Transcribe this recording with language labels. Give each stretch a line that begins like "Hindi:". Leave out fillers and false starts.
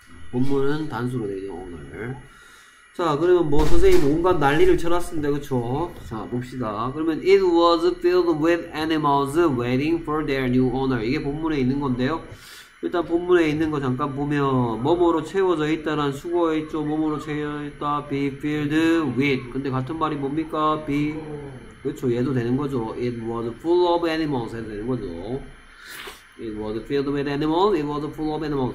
Korean: 본문은 단수로 되죠, 오늘. 자, 그러면 뭐, 선생님, 온갖 난리를 쳐놨습니다, 그쵸? 자, 봅시다. 그러면,
English: It was filled with animals waiting for their new owner.
Korean: 이게 본문에 있는 건데요. 일단 본문에 있는 거 잠깐 보면, 뭐뭐로 채워져 있다란 수거에 있죠. 뭐뭐로 채워져 있다.
English: Be filled with.
Korean: 근데 같은 말이 뭡니까? Be. 그렇죠. 얘도 되는 거죠.
English: It was full of animals
Korean: 해도 되는 거죠.
English: It was filled with animals. It was full of animals.